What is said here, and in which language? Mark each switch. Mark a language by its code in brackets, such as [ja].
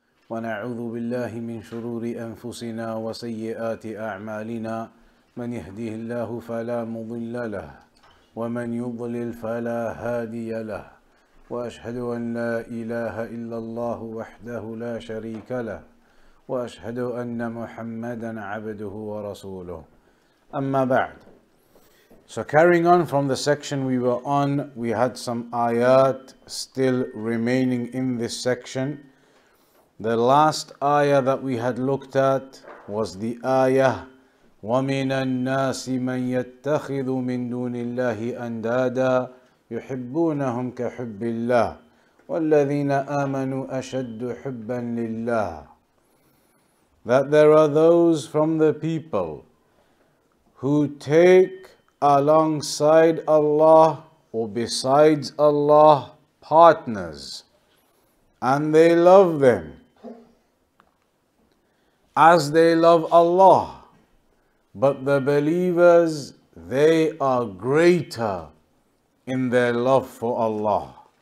[ar] ونعوذ بالله من شرور أنفسنا وسيئات أعمالنا، من يهده الله فلا مضل له ومن يضلل فلا هادي له، وأشهد أن لا إله إلا الله وحده لا شريك له، وأشهد أن محمدًا عبده ورسوله. أما بعد. [en] So carrying on from the section we were on, we had some ayat still remaining in this section. The last ayah that we had looked at was the ayah [ar] وَمِنَ النَّاسِ مَنْ يَتَّخِذُ مِنْ دُونِ اللَّهِ أَنْدَادًا يُحِبُّونَهُمْ كَحُبِّ اللَّهِ وَالَّذِينَ آمَنُوا أَشَدُّ حُبًّا لِلَّهِ. [en] That there are those from the people who take alongside Allah or besides Allah partners, and they love them as they love Allah, but the believers, they are greater in their love for Allah.